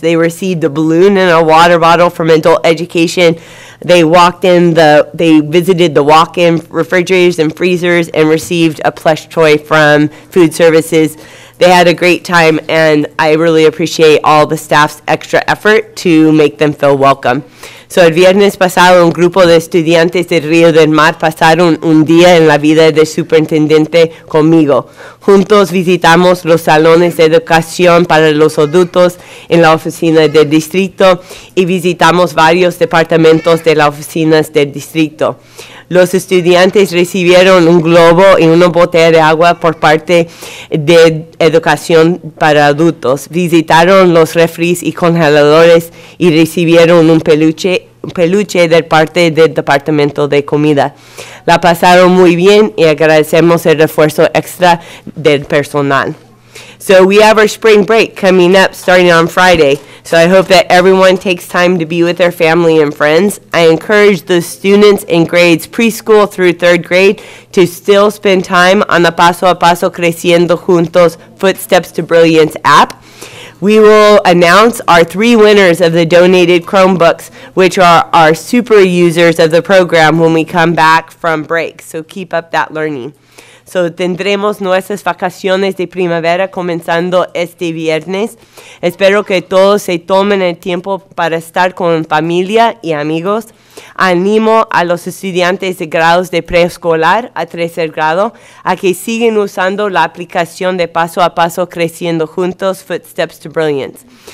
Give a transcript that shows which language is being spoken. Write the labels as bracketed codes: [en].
[en] They received a balloon and a water bottle from adult education. They walked in they visited the walk-in refrigerators and freezers and received a plush toy from food services. They had a great time, and I really appreciate all the staff's extra effort to make them feel welcome. [es] So el viernes pasado, un grupo de estudiantes de Río del Mar pasaron un día en la vida del superintendente conmigo. Juntos visitamos los salones de educación para los adultos en la oficina del distrito y visitamos varios departamentos de las oficinas del distrito. Los estudiantes recibieron un globo y una botella de agua por parte de educación para adultos. Visitaron los refris y congeladores y recibieron un peluche de parte del departamento de comida. La pasaron muy bien y agradecemos el esfuerzo extra del personal. [en] So we have our spring break coming up starting on Friday. So I hope that everyone takes time to be with their family and friends. I encourage the students in grades preschool through third grade to still spend time on the Paso a Paso Creciendo Juntos Footsteps to Brilliance app. We will announce our three winners of the donated Chromebooks, which are our super users of the program when we come back from break. So keep up that learning. [es] So tendremos nuestras vacaciones de primavera comenzando este viernes. Espero que todos se tomen el tiempo para estar con familia y amigos. Animo a los estudiantes de grados de preescolar a tercer grado a que sigan usando la aplicación de Paso a Paso Creciendo Juntos, Footsteps to Brilliance.